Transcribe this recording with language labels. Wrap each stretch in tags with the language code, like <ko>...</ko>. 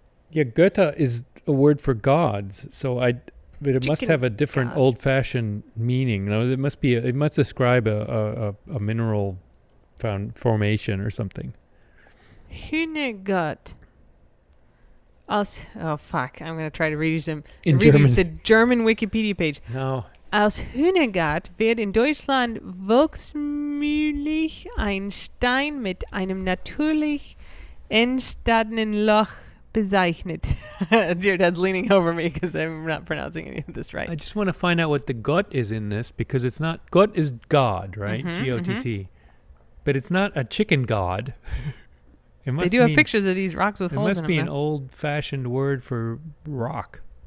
<en>Yeah, Goethe is a word for gods, so but it chicken must have a different God. Old-fashioned meaning. You know, it must describe a mineral formation or something.</en> <de>Hühnergott.</de> <en>I'm going to try to read you some. The German Wikipedia page. No.</en> <de>Als Hühnergott wird in Deutschland volksmühlich ein Stein mit einem natürlich entstandenen Loch.</de> <en>Your dad's leaning over me because I'm not pronouncing any of this right. I just want to find out what the gut is in this because it's not... Gut is God, right? Mm-hmm, G-O-T-T. Mm-hmm. But it's not a chicken god. They have pictures of these rocks with holes in them. It must be an old-fashioned word for rock.</en>